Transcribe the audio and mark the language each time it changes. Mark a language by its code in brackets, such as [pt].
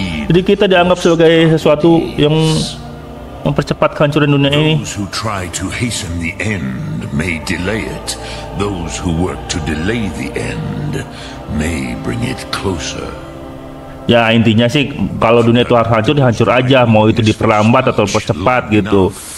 [id] Jadi kita dianggap sebagai sesuatu yang mempercepat kehancuran dunia ini. [en] Those who try to hasten the end may delay it. Those who work to delay the end may bring it closer. [id] Ya, intinya sih kalau dunia itu harus hancur, hancur aja, mau itu diperlambat atau percepat gitu.